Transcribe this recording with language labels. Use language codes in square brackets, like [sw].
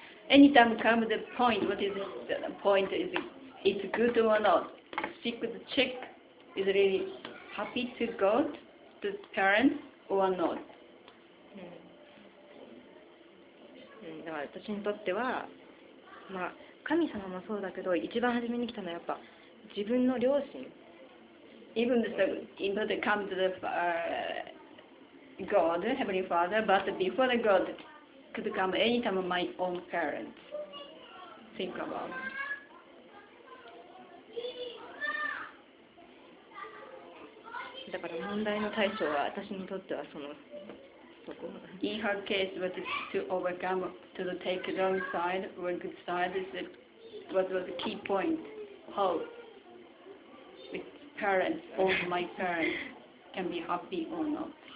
[en] Anytime comes the point, what is the point? Is it good or not? She could check, is it really happy to go to the parents or not? [ja] だから私にとっては、まあ、神様もそうだけど、一番初めに来たのはやっぱ自分の両親。 [en] Even the input comes to the God, Heavenly Father, but before the God,could come anytime my own parents think about. [ja] だから問題の対象は私にとってはその、そこ。 [en] In her case, what is to overcome, to take the wrong side or good side, is it, what was the key point? How with parents or my parents can be happy or not?